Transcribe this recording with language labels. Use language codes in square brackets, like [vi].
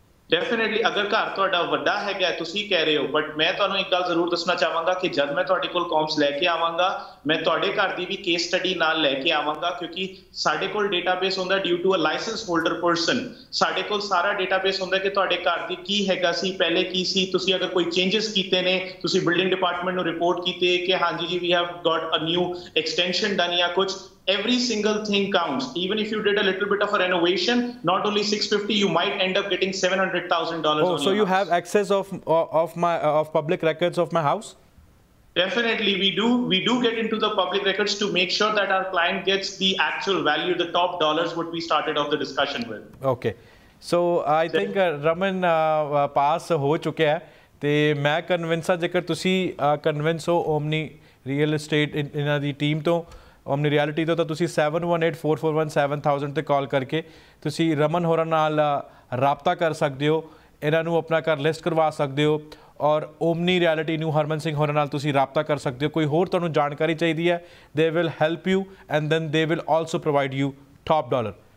[pa] Definitely, ਅਗਰ ਘਰ ਤੁਹਾਡਾ ਵੱਡਾ ਹੈਗਾ ਤੁਸੀਂ ਕਹਿ ਰਹੇ ਹੋ, ਬਟ ਮੈਂ ਤੁਹਾਨੂੰ ਇੱਕ ਗੱਲ ਜ਼ਰੂਰ ਦੱਸਣਾ ਚਾਹਾਂਗਾ ਕਿ ਜਦ ਮੈਂ ਤੁਹਾਡੇ ਕੋਲ ਕੌਮਸ ਲੈ ਕੇ ਆਵਾਂਗਾ, ਮੈਂ ਤੁਹਾਡੇ ਘਰ ਦੀ ਵੀ ਕੇਸ ਸਟੱਡੀ ਨਾਲ ਲੈ ਕੇ ਆਵਾਂਗਾ, ਕਿਉਂਕਿ ਸਾਡੇ ਕੋਲ ਡੇਟਾਬੇਸ ਹੁੰਦਾ due to a licence holder person, ਸਾਡੇ ਕੋਲ ਸਾਰਾ ਡੇਟਾਬੇਸ ਹੁੰਦਾ ਕਿ ਤੁਹਾਡੇ ਘਰ ਦੀ ਕੀ ਹੈਗਾ ਸੀ, ਪਹਿਲੇ ਕੀ ਸੀ, ਤੁਸੀਂ ਅਗਰ ਕੋਈ ਚੇਂਜਸ ਕੀਤੇ ਨੇ, ਤੁਸੀਂ ਬਿਲਡਿੰਗ ਡਿਪਾਰਟਮੈਂਟ ਨੂੰ ਰਿਪੋਰਟ ਕੀਤੇ ਕਿ ਹਾਂਜੀ ਜੀ [en] we have got a new extension done [pa] ਜਾਂ ਕੁਛ, [en] every single thing counts. Even if you did a little bit of a renovation, not only 650, you might end up getting $700,000. Oh, so you have access of public records of my house? Definitely, we do get into the public records to make sure that our client gets the actual value, the top dollars what we started off the discussion with. Okay, so I think [pa] Raman pass ho chukya hai, te main convince ha jekar tusi convince ho Omni real estate in the team to ਆਪਣੀ reality ਤੋਂ, ਤਾਂ ਤੁਸੀਂ 7184417000 'ਤੇ ਕਾਲ ਕਰਕੇ ਤੁਸੀਂ ਰਮਨ ਹੋਰਾਂ ਨਾਲ ਰਾਬਤਾ ਕਰ ਸਕਦੇ ਹੋ, ਇਹਨਾਂ ਨੂੰ ਆਪਣਾ ਘਰ ਲਿਸਟ ਕਰਵਾ ਸਕਦੇ ਹੋ, ਔਰ ਓਮਨੀ ਰਿਐਲਿਟੀ ਨੂੰ ਹਰਮਨ ਸਿੰਘ ਹੋਰਾਂ ਨਾਲ ਤੁਸੀਂ ਰਾਬਤਾ ਕਰ ਸਕਦੇ ਹੋ। ਕੋਈ ਹੋਰ ਤੁਹਾਨੂੰ ਜਾਣਕਾਰੀ ਚਾਹੀਦੀ ਹੈ, [en] They will help you and then they will also provide you top dollar.